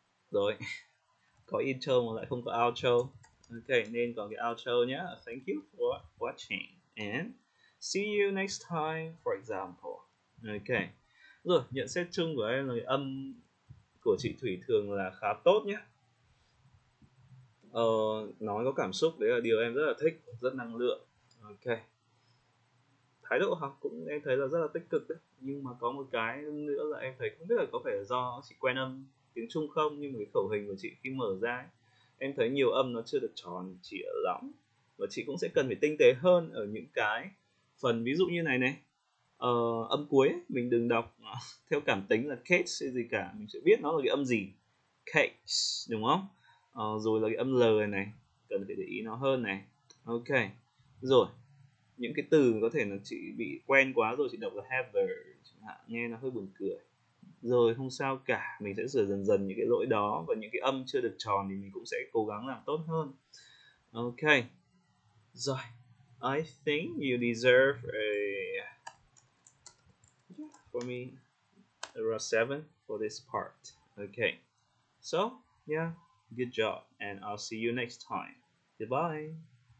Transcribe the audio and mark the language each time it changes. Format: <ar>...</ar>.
<vi>Rồi, có intro mà lại không có outro. Ok, nên có cái outro nhá.</vi> <en>Thank you for watching and see you next time, for example.</en> <vi>Ok, rồi, nhận xét chung của em là âm của chị Thủy thường là khá tốt nhé. Nói có cảm xúc, đấy là điều em rất là thích, rất năng lượng. Ok. Thái độ học cũng em thấy là rất là tích cực đấy. Nhưng mà có một cái nữa là em thấy không biết là có phải là do chị quen âm tiếng Trung không, nhưng mà cái khẩu hình của chị khi mở ra ấy, em thấy nhiều âm nó chưa được tròn chỉa lắm. Và chị cũng sẽ cần phải tinh tế hơn ở những cái phần ví dụ như này này. Âm cuối ấy, mình đừng đọc theo cảm tính là cage hay gì cả, mình sẽ biết nó là cái âm gì, cage, đúng không? Rồi là cái âm L này, này cần phải để ý nó hơn này. Ok, rồi những cái từ có thể là chị bị quen quá rồi, chị đọc là haver chẳng hạn, nghe nó hơi buồn cười. Rồi không sao cả, mình sẽ sửa dần dần những cái lỗi đó, và những cái âm chưa được tròn thì mình cũng sẽ cố gắng làm tốt hơn.</vi> <en>Ok, rồi I think you deserve a for me around 7 for this part. Okay, so yeah, good job, and I'll see you next time. Goodbye.</en>